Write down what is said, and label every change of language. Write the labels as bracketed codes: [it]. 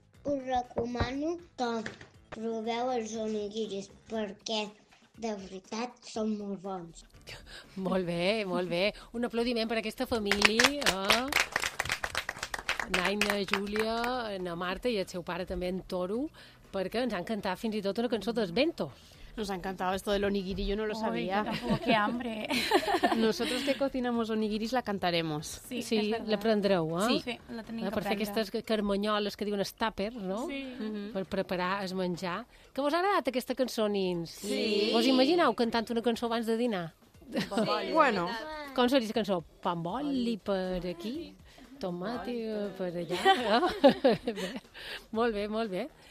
[ca] Us recomano que proveu els onigiris perquè de veritat són molt bons. Molt bé, molt bé. Un aplaudiment per aquesta família. Naina, Júlia, na Marta i el seu pare també, en Toro, perquè ens han cantat fins i tot una cançó dels Ventos. [es] Nos ha encantado esto del onigiri, yo no lo sabía. Uy, qué hambre. Nosotros que cocinamos onigiris la cantaremos. [ca] Sí, la prendreu, ¿eh? Sí, la tenim que prendre. Per fer aquestes carmanyoles que diuen els tàpers, no? Sí. Mm-hmm. Per preparar el menjar. Que vos ha agradat aquesta cançó, nins? Sí. Vos imagineu cantant una cançó abans de dinar? Sí. [es] Bueno. [ca] Com seria la cançó? Pamboli per aquí, tomate per allà. Molt bé, molt bé.